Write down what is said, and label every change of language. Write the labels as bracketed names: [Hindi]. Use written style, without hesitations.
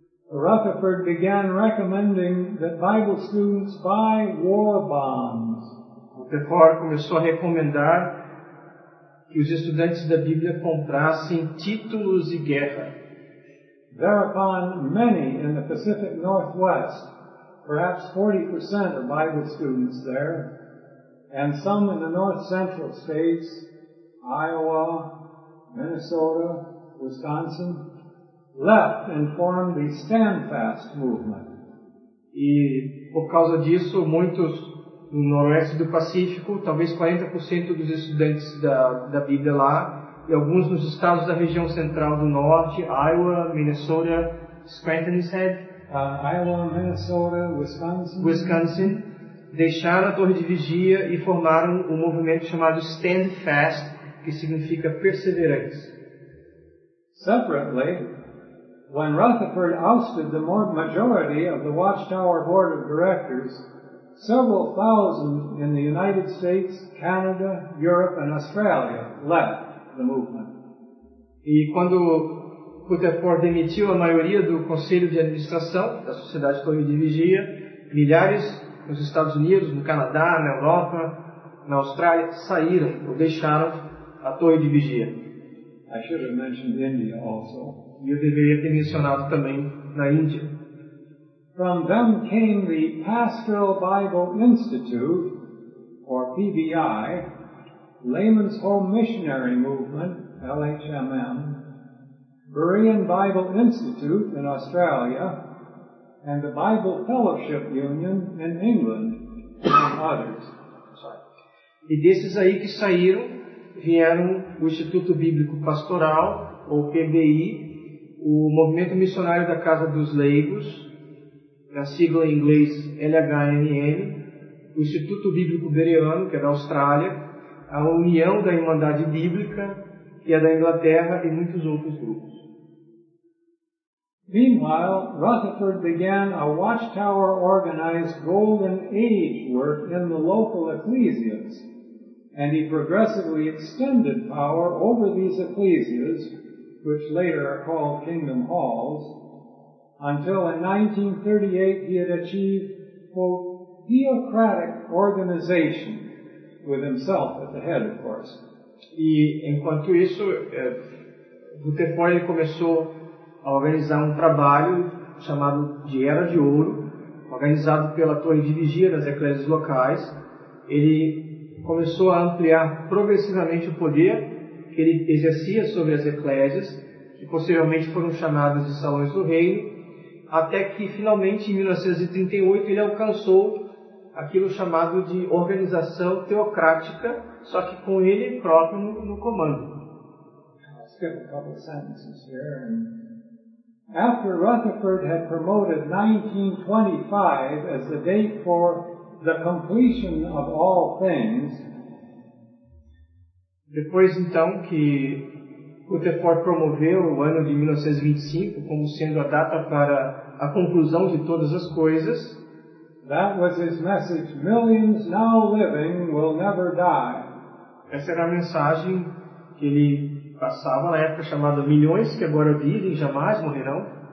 [English] Rutherford began recommending that Bible students buy war bonds. [Portuguese] Rutherford começou a recomendar que os estudantes da Bíblia comprassem títulos de guerra. [English] Thereupon, many in the Pacific Northwest, perhaps 40% of Bible students there, and some in the North Central states, Iowa, Minnesota, Wisconsin, left and formed the Standfast movement. [Portuguese] E por causa disso, muitos no noroeste do Pacífico, talvez 40% dos estudantes da Bíblia lá, e alguns nos estados da região central do norte, Iowa, Minnesota, Scranton, Iowa, Minnesota, Wisconsin, deixaram a Torre de Vigia e formaram um movimento chamado Stand Fast, que significa perseverantes. [English] Separately, when Rutherford ousted the majority of the Watchtower Board of Directors, several thousand in the United States, Canada, Europe, and Australia left the movement. [Portuguese] E quando Rutherford demitiu a maioria do Conselho de Administração da Sociedade Torre de Vigia, milhares nos Estados Unidos, no Canadá, na Europa, na Austrália, saíram ou deixaram a Torre de Vigia. [English] I should have mentioned India also. [Portuguese] Eu deveria ter mencionado também na Índia. [English] From them came the Pastoral Bible Institute, or PBI, Layman's Home Missionary Movement, LHMM, Berean Bible Institute in Australia, and the Bible Fellowship Union in England, and others. [Portuguese] E desses aí que saíram, vieram o Instituto Bíblico Pastoral, ou PBI, o Movimento Missionário da Casa dos Leigos, a sigla em inglês LHMM, o Instituto Bíblico Bereano, que é da Austrália, a União da Irmandade Bíblica, que é da Inglaterra, e muitos outros grupos. [English] Meanwhile, Rutherford began a Watchtower-organized Golden Age work in the local ecclesias, and he progressively extended power over these ecclesias, which later are called Kingdom Halls, until in 1938 he had achieved, quote, theocratic organization, with himself at the head, of course. [Portuguese] E enquanto isso, Rutherford começou a organizar um trabalho chamado de Era de Ouro, organizado pela Torre de Vigia das Eclésias Locais. Ele começou a ampliar progressivamente o poder que ele exercia sobre as Eclésias, que posteriormente foram chamadas de Salões do Reino, até que, finalmente, em 1938, ele alcançou aquilo chamado de organização teocrática, só que com ele próprio no comando. [English] Let's give a couple of sentences here. After Rutherford had promoted 1925 as the date for the completion of all things, [Portuguese] depois, então, que Rutherford promoveu o ano de 1925 como sendo a data para a conclusão de todas as coisas. [English] That was his message. Millions now living will never die. [Portuguese] Essa era a mensagem que ele passava na época, chamada milhões que agora vivem jamais morrerão.